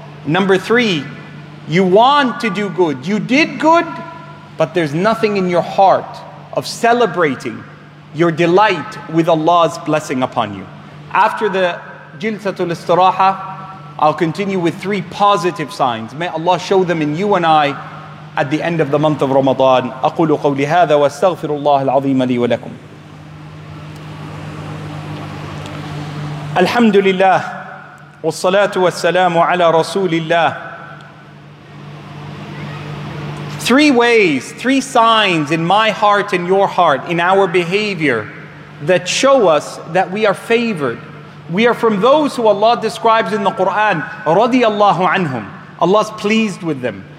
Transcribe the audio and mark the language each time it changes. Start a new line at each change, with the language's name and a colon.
English: Number three, you want to do good. You did good, but there's nothing in your heart of celebrating your delight with Allah's blessing upon you. After the Jilsatul Istiraha, I'll continue with three positive signs. May Allah show them in you and I at the end of the month of Ramadan.
Arabic: أقول قولي هذا واستغفر الله العظيم لي ولكم. الحمد لله والصلاة والسلام على رسول الله.
English: Three ways, three signs in my heart and your heart, in our behavior, that show us that we are favored. We are from those who Allah describes in the Quran, radiyallahu anhum. Allah's pleased with them.